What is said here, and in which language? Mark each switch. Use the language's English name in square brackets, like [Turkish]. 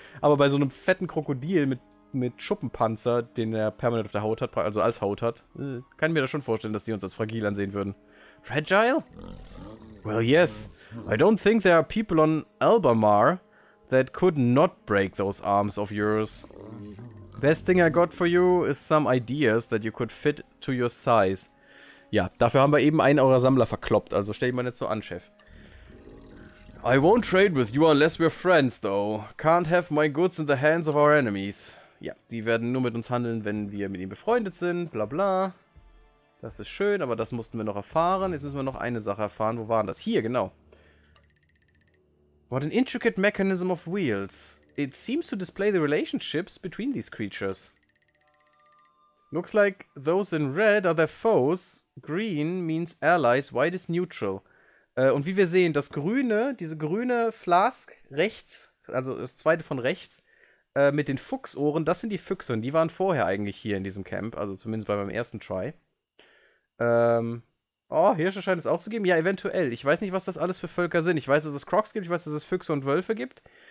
[German] Aber bei so einem fetten Krokodil mit Schuppenpanzer, den er permanent auf der Haut hat, also als Haut hat, kann ich mir da schon vorstellen, dass die uns als fragil ansehen würden. [English] Fragile? Well, yes. I don't think there are people on Albamar that could not break those arms of yours. Best thing I got for you is some ideas that you could fit to your size. [German] Ja, dafür haben wir eben einen eurer Sammler verkloppt, also stell dich mal nicht so an, Chef. [English] I won't trade with you unless we're friends, though. Can't have my goods in the hands of our enemies. [German] Ja, die werden nur mit uns handeln, wenn wir mit ihnen befreundet sind, bla bla. Das ist schön, aber das mussten wir noch erfahren. Jetzt müssen wir noch eine Sache erfahren. Wo waren das? Hier, genau. [English] What an intricate mechanism of wheels. It seems to display the relationships between these creatures. Looks like those in red are their foes. Green means allies, white is neutral. [German] Und wie wir sehen, das grüne, diese grüne Flask rechts, also das zweite von rechts, mit den Fuchsohren, das sind die Füchse. Und die waren vorher eigentlich hier in diesem Camp, also zumindest bei meinem ersten Try. Oh, Hirsche scheint es auch zu geben. Ja, eventuell. Ich weiß nicht, was das alles für Völker sind. Ich weiß, dass es Crocs gibt, ich weiß, dass es Füchse und Wölfe gibt.